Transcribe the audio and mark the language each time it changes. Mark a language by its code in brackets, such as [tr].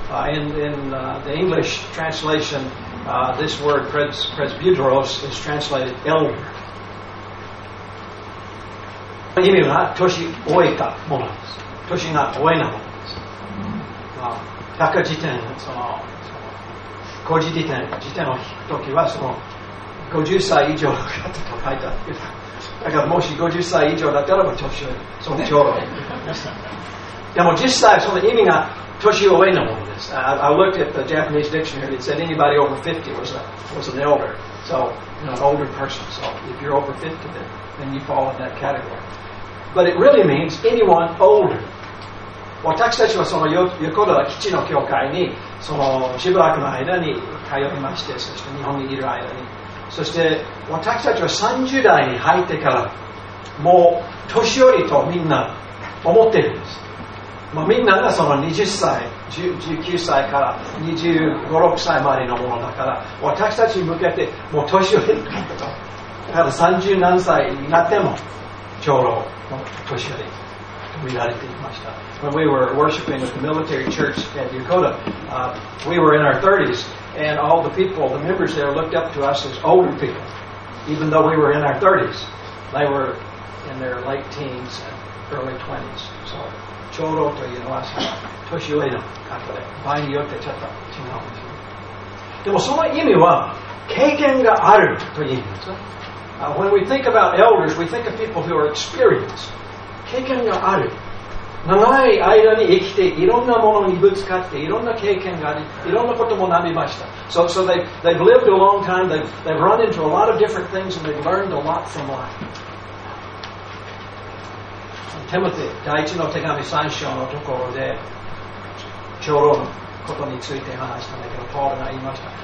[en] In the English translation, this word presbyteros is translated elder. [ja] 意味は年老いたものです。年が老いなものです。百字典、古字辞典を引くときは、その50歳以上の方と書いてある。だからもし50歳以上だったらば年老い、その長老。でも実際その意味が年老いのものです。 [en] I looked at the Japanese dictionary. It said anybody over 50 was an elder. So, you know, an older person. So, if you're over 50, then you fall in that category. But it really means anyone older. [ja] 私たちはその横田基地の教会にそのしばらくの間に通いまして、そして日本にいる間に。そして私たちは30代に入ってからもう年寄りとみんな思っているんです、まあ、みんながその20歳19歳から25、6歳までのものだから私たちに向けてもう年寄りだと、だから30何歳になっても長老の年寄りと見られていました。 [en] When we were worshiping at the military church at Yokota, we were in our 30sAnd all the people, the members there, looked up to us as older people, even though we were in our 30s. They were in their late teens and early 20s. [ja] So, ちょうどというのは、年老いの方で、場合によってちょっと違うんですよ。でもその意味は、経験があるという意味です。 [en] When we think about elders, we think of people who are experienced. [ja] 経験がある。長い間に生きていろんなものにぶつかっていろんな経験がありいろんなこともなりました。 [en] So they've lived a long time, they've run into a lot of different things and they've learned a lot from life. [ja] テモテ第一の手紙三章のところで長老のことについて話したんだけど、パウロが言いました。